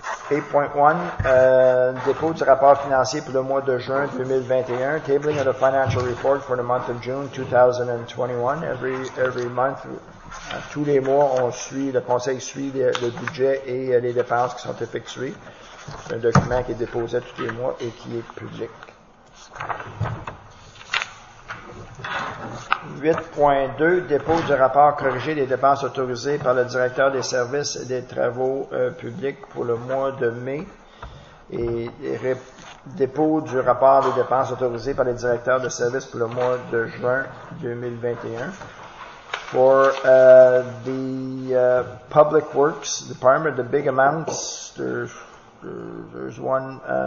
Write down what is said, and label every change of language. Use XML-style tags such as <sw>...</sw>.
<fr>Dépôt du rapport financier pour le mois de juin 2021.</fr> <en>Tabling of the financial report for the month of June 2021. Every month,</en> <fr>tous les mois, on suit, le conseil suit le budget et les dépenses qui sont effectuées. C'est un document qui est déposé tous les mois et qui est public. 8.2, dépôt du rapport corrigé des dépenses autorisées par le directeur des services et des travaux publics pour le mois de mai et dépôt du rapport des dépenses autorisées par le directeur des services pour le mois de juin 2021.</fr> <en>For the Public Works Department, the big amounts, there's one...</en>